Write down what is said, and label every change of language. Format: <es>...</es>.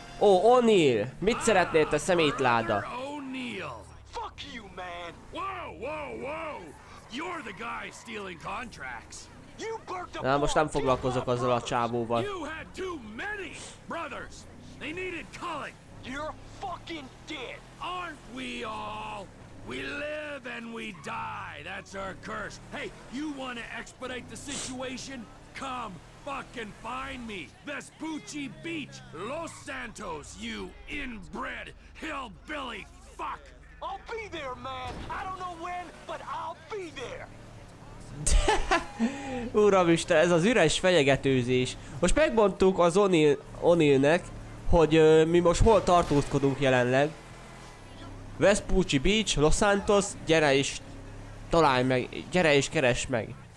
<hu>Ó, O'Neill, mit szeretnél te, szemétláda?</hu> <en>Fuck you, man. Wow. You're the guy stealing contracts.</en> <hu>Na most nem foglalkozok azzal a csávóval.</hu> <en>They needed culling. You're fucking dead. Aren't we all? We live and we die. That's our curse. Hey, you want to expedite the situation? Come fucking find me. Vespucci Beach, Los Santos, you inbred hillbilly fuck. I'll be there, man. I don't know when, but I'll be there.</en> <hu>Uramisten, ez az üres fenyegetőzés. Most megmondtuk az O'Neillnek, hogy mi most hol tartózkodunk jelenleg. Vespucci Beach, Los Santos, gyere is találj meg, gyere is keresd meg.</hu>